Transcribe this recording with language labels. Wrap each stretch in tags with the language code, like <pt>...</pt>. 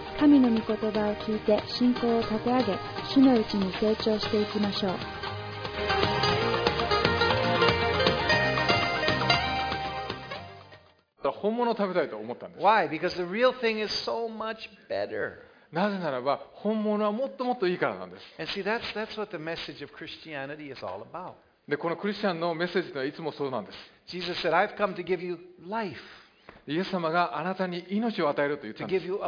<ja>神の御言葉を聞いて信仰を立て上げ、主のうちに成長していきましょう。本物を食べたいと思ったんです。</ja> <en>Why? Because the real thing is so much better.</en> <ja>なぜならば、本物はもっともっといいからなんです。</ja> <en>And see, that's what the message of Christianity is all about.</en> <ja>で、このクリスチャンのメッセージはいつもそうなんです。</ja> <en>Jesus said, I've come to give you life.</en> <ja>イエス様があなたに命を与えると言ったんです。</ja>